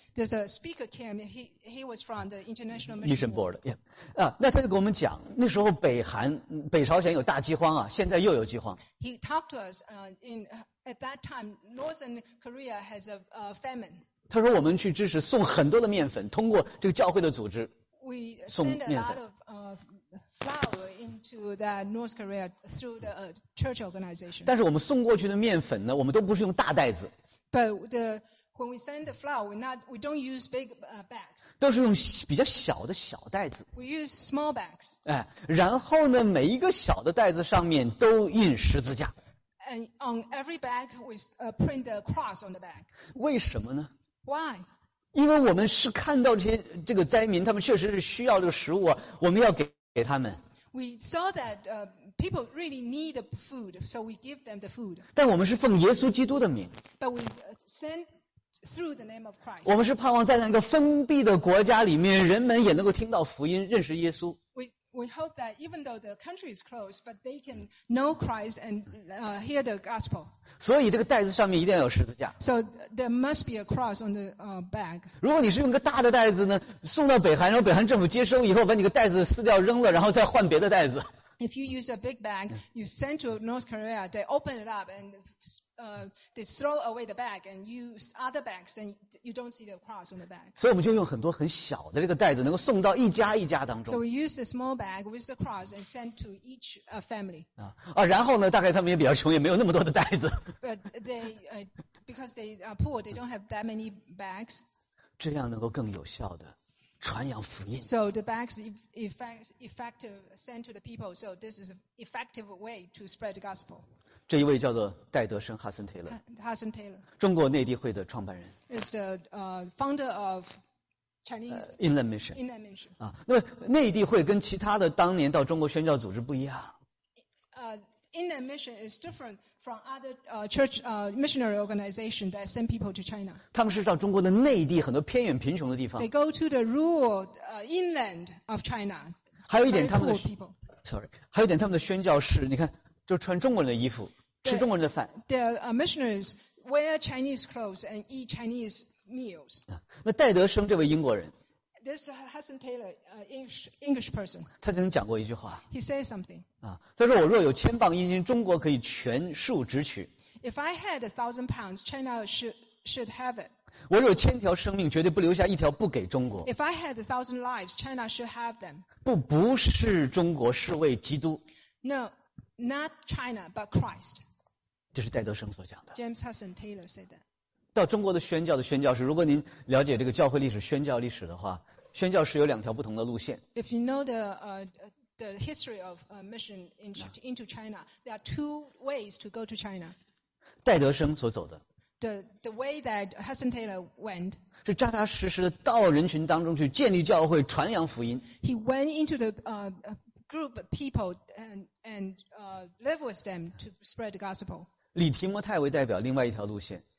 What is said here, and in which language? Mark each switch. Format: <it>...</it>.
<en>There's a speaker came. He was from the International Mission Board.</en> <zh>Yeah. 啊，那他就跟我们讲，那时候北朝鲜有大饥荒啊，现在又有饥荒。</zh> <en>He talked to us at that time, Northern Korea has a famine.</en> <zh>他说我们去支持送很多的面粉，通过这个教会的组织。</zh> <en>We send a lot of flour into the North Korea through the church organization.</en> <zh>但是我们送过去的面粉呢，我们都不是用大袋子。</zh> <en>But when we send the flour, we don't use big bags.</en> <zh>都是用比较小的小袋子。</zh> <en>We use small bags.</en> <zh>哎，然后呢，每一个小的袋子上面都印十字架。</zh> <en>And on every bag, we print the cross on the bag.</en> <zh>为什么呢</zh> <en>？Why？</en> <zh>因为我们是看到这个灾民，他们确实是需要这个食物、啊，我们要给他们。</zh> <en>We saw that people really need food, so we give them the food.</en> <zh>但我们是奉耶稣基督的名。</zh> <en>But we send through the name of Christ.</en> <zh>我们是盼望在那个封闭的国家里面，人们也能够听到福音，认识耶稣。</zh> <en>We hope that even though the country is closed, but they can know Christ and hear the gospel.</en> <zh>所以这个袋子上面一定要有十字架。</zh> <en>So there must be a cross on the bag.</en> <zh>如果你是用个大的袋子呢，送到北韩，然后北韩政府接收以后，把你个袋子撕掉扔了，然后再换别的袋子。</zh> <en>If you use a big bag, you send to North Korea, they open it up and they throw away the bag and use other bags, then you don't see the cross on the bag.</en> <zh>所以我们就用很多很小的这个袋子能够送到一家一家当中。</zh> <en>So we use a small bag with the cross and send to each family.</en> <zh>啊，然后呢，大概他们也比较穷，也没有那么多的袋子。</zh> <en>But because they are poor, they don't have that many bags.</en> <zh>这样能够更有效的。传扬福音。</zh> <en>So the bags effective sent to the people. So this is an effective way to spread the gospel.</en> <zh>这一位叫做戴德生哈森泰勒。</zh> <en>Hudson Taylor.</en> <zh>中国内地会的创办人。</zh> <en>Is the founder of Chinese Inland Mission. Inland Mission.</en> <zh>啊，那么内地会跟其他的当年到中国宣教组织不一样。</zh> <en>Inland Mission is different from other church missionary organization that send people to China.</en> <zh>他们是到中国的内地很多偏远贫穷的地方。</zh> <en>They go to the rural inland of China.</en> <zh>还有一点他们的 还有一点他们的宣教士，你看，就穿中国人的衣服，吃中国人的饭。</zh> <en>The missionaries wear Chinese clothes and eat Chinese meals.</en> <zh>那戴德生这位英国人。</zh> <en>This Hudson Taylor, English person.</en> <zh>他曾经讲过一句话。</zh> <en>He says something.</en> <zh>啊，他说我若有千磅银金，中国可以全数直取。</zh> <en>If I had £1,000, China should have it.</en> <zh>我若有千条生命，绝对不留下一条不给中国。</zh> <en>If I had 1,000 lives, China should have them.</en> <zh>不是中国，是为基督。</zh> <en>No, not China, but Christ.</en> <zh>这是戴德生所讲的。</zh> <en>James Hudson Taylor said that.</en> <zh>到中国的宣教的宣教士，如果您了解这个教会历史、宣教历史的话，宣教士有两条不同的路线。</zh> <en>If you know the history of mission into China, there are two ways to go to China.</en> <zh>戴德生所走的。</zh> <en>The way that Hudson Taylor went</en> <zh>是扎扎实实的到人群当中去建立教会、传扬福音。</zh> <en>He went into the group of people and live with them to spread the gospel.</en> <zh>李提摩太为代表另外一条路线。</zh>